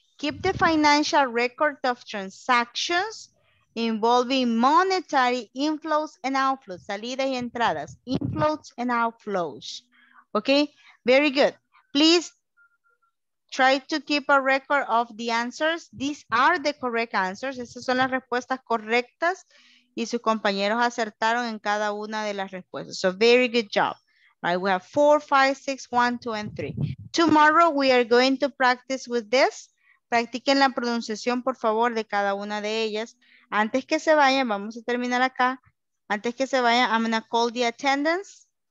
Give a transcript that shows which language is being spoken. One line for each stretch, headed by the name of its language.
English: Keep the financial record of transactions involving monetary inflows and outflows,
Spanish: salidas y entradas,
English: inflows and outflows. Okay, very good. Please try to keep a record of the answers. These are the correct answers.
Spanish: Estas son las respuestas correctas y sus compañeros acertaron en cada una de las respuestas.
English: So very good job. Right, we have 4, 5, 6, 1, 2, and 3. Tomorrow we are going to practice with this.
Spanish: Practiquen la pronunciación, por favor, de cada una de ellas. Antes que se vayan, vamos a terminar acá. Antes que se vayan,
English: I'm going to call the attendance.